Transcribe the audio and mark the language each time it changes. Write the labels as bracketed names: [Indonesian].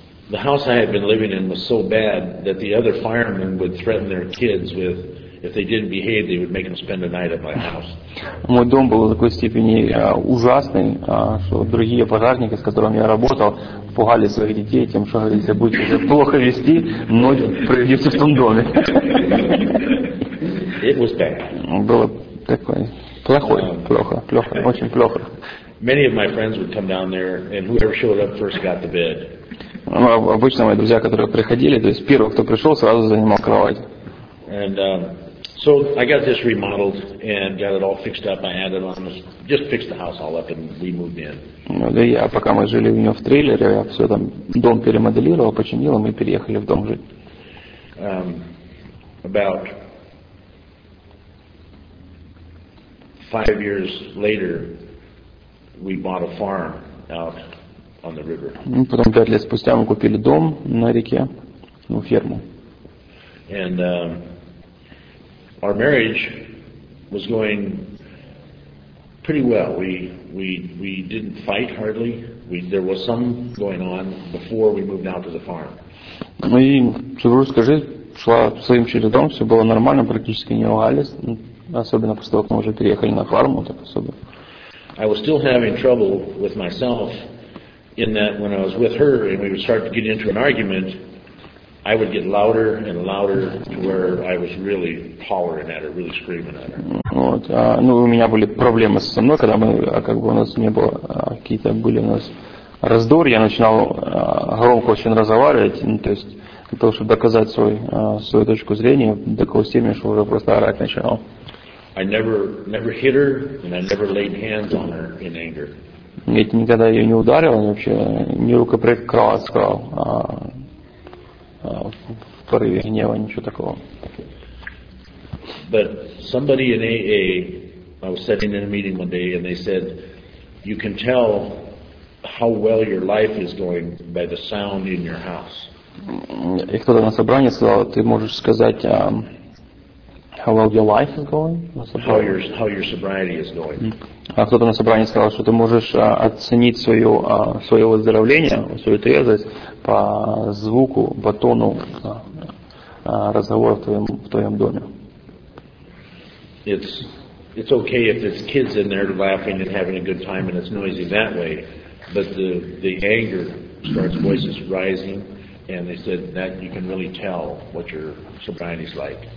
[English] The house I had been living in was so bad that the other firemen would threaten their kids with, if they didn't behave, they would make them spend the night at my house. [Russian] Мой дом был в такой степени ужасный, что другие пожарники, с которыми я работал, пугали своих детей тем, что если будете плохо вести, ночь проведете в том доме. [English] It was bad. [Russian] Было такое плохое, плохо, плохо, очень плохо. [English] Many of my friends would come down there, and whoever showed up first got the bed. [Russian] Ну, обычно мои друзья, которые приходили, то есть первый, кто пришел, сразу занимал кровать. [English] And so I got this remodeled and got it all fixed up. I had it on, just fixed the house all up, and we moved in. [Russian] Ну да, я пока мы жили у него в трейлере, я все там дом перемоделировал, починил, и мы переехали в дом жить. [English] About 5 years later, we bought a farm out on the river. [Russian] Ну потом 5 лет спустя мы купили дом на реке, ну ферму. [English] And our marriage was going pretty well. We didn't fight hardly. There was some going on before we moved out to the farm. [Russian] Ну и супружеская жизнь шла своим чередом, все было нормально, практически не ругались, особенно после того, как мы уже переехали на фарму, так особо. [English] I was still having trouble with myself in that when I was with her and we would start to get into an argument, I would get louder and louder to where I was really hollering at her, really screaming at her. [Russian] Вот, ну у меня были проблемы со мной, когда мы, как бы у нас не было какие-то были у нас раздор, я начинал громко очень разговаривать, ну, то есть для того, чтобы доказать свою точку зрения, до такой степени, что уже просто орать начинал. [English] I never hit her, and I never laid hands on her in anger. [Russian] Ведь никогда ее не ударил, ни вообще ни рукоприкрывать сказал, в порыве гнева ничего такого. [English] But somebody in AA, I was sitting in a meeting one day, and they said, "You can tell how well your life is going by the sound in your house." [Russian] И кто-то на собрании сказал, ты можешь сказать. [English] How well your life is going? How your sobriety is going? [Russian] А кто-то на собрании сказал, что ты можешь оценить свое выздоровление, свою трезвость по звуку, по тону разговора в твоем доме. [English] It's okay if there's kids in there laughing and having a good time and it's noisy that way, but the anger starts, voices rising, and they said that you can really tell what your sobriety is like.